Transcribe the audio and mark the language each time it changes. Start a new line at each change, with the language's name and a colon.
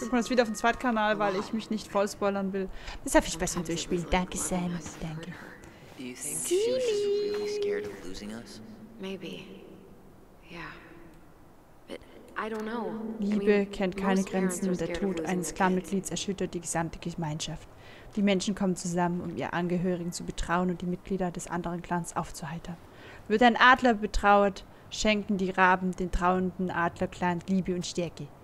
German: Guck mal, ist wieder auf den Zweitkanal, weil ich mich nicht voll spoilern will. Das ist ja viel besser zu spielen. Danke, Sam. Danke.
English: Do you think she was really scared of losing us? Maybe. Yeah. But I don't know.
German: Liebe kennt keine Grenzen und der Tod eines Clanmitglieds erschüttert die gesamte Gemeinschaft. Die Menschen kommen zusammen, um ihr Angehörigen zu betrauen und die Mitglieder des anderen Clans aufzuheitern. Wird ein Adler betrauert, schenken die Raben den trauernden Adlerclan Liebe und Stärke.